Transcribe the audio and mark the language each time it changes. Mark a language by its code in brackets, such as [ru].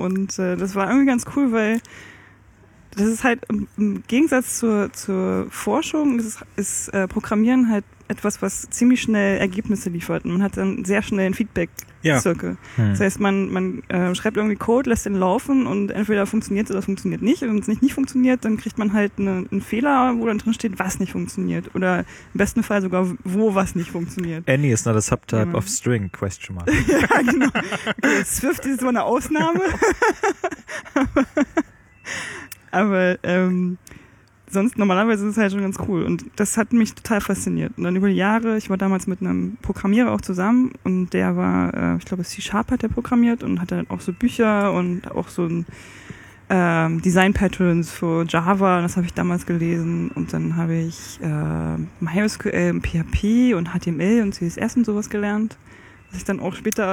[de] Und das war irgendwie ganz cool, weil das ist halt im Gegensatz zur Forschung, ist Programmieren halt etwas, was ziemlich schnell Ergebnisse liefert. Man hat dann sehr schnell einen Feedback-Zirkel. Ja. Das heißt, man schreibt irgendwie Code, lässt den laufen und entweder funktioniert es oder funktioniert nicht. Und wenn es nicht funktioniert, dann kriegt man halt einen Fehler, wo dann drin steht, was nicht funktioniert. Oder im besten Fall sogar, wo was nicht funktioniert. [en] Any is not a subtype of string, question mark. [de] Ja, genau. Okay, Swift ist immer eine Ausnahme. Aber sonst normalerweise ist es halt schon ganz cool und das hat mich total fasziniert. Und dann über die Jahre, ich war damals mit einem Programmierer auch zusammen und der war, ich glaube C-Sharp hat der programmiert und hatte dann auch so Bücher und auch so ein Design-Patterns für Java und das habe ich damals gelesen und dann habe ich MySQL und PHP und HTML und CSS und sowas gelernt, was ich dann auch später...